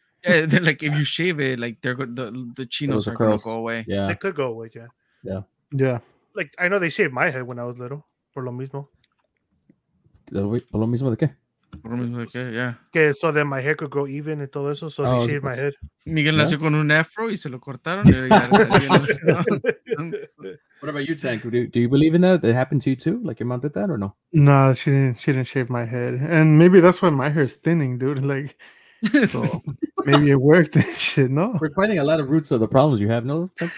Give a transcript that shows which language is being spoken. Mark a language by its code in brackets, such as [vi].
[en] Yeah, like if you shave it, like they're the chinos are gonna go away. Yeah, they could go away. Yeah, yeah, yeah. Like I know they shaved my head when I was little. [es] Por lo mismo. Por lo mismo de qué? Por lo mismo de qué? [en] Yeah. Que so then my hair could grow even and [es] todo eso. [en] So they shaved my head. [es] Miguel nació con un afro y se lo cortaron. Y ya salió, ¿no? [en] What about you, Tank? Do you believe in that? That happened to you too? Like your mom did that or no? No, she didn't. She didn't shave my head, and maybe that's why my hair is thinning, dude. Like, so maybe it worked and shit. No, we're finding a lot of roots of the problems you have. No,